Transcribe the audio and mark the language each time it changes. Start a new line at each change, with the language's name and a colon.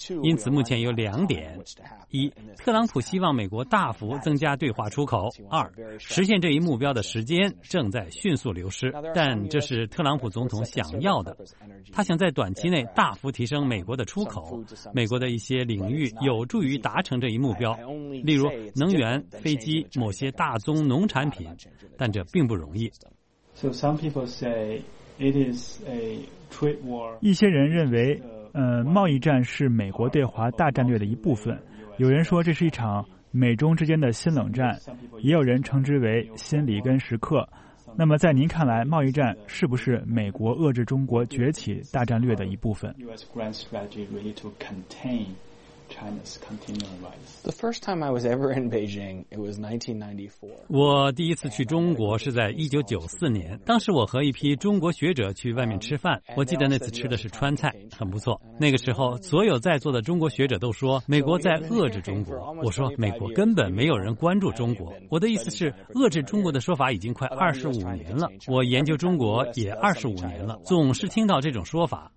Chinese: 因此目前有两点：一，特朗普希望美国大幅增加对华出口；二，实现这一目标的时间正在迅速流失，但这是特朗普总统想要的。他想在短期内大幅提升美国的出口，美国的一些领域有助于达成这一目标，例如能源、飞机、某些大宗农产品，但这并不容易。
English: So some people say it is a trade war.
Chinese: 一些人认为，贸易战是美国对华大战略的一部分。有人说这是一场美中之间的新冷战，也有人称之为新里根时刻。那么在您看来，贸易战是不是美国遏制中国崛起大战略的一部分？
English: US grand strategy really to contain China's continuing rise. The first time I was ever in Beijing, it was 1994.
Chinese: 我第一次去中国是在1994年，当时我和一批中国学者去外面吃饭，我记得那次吃的是川菜，很不错。那个时候所有在座的中国学者都说美国在遏制中国，我说美国根本没有人关注中国。我的意思是遏制中国的说法已经快25年了，我研究中国也25年了，总是听到这种说法。